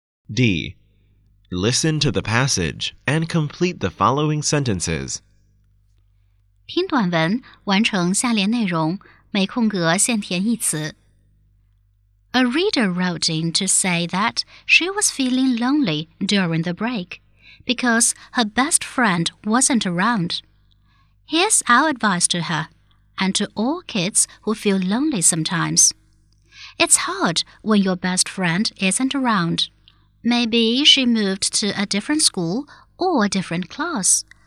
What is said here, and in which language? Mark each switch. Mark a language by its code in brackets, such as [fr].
[en] D. Listen to the passage and complete the following sentences. [zh] 听短文，完成下列内容，每空格限填一词。 [en] A reader wrote in to say that she was feeling lonely during the break because her best friend wasn't around. Here's our advice to her and to all kids who feel lonely sometimes. It's hard when your best friend isn't around. Maybe she moved to a different school or a different class.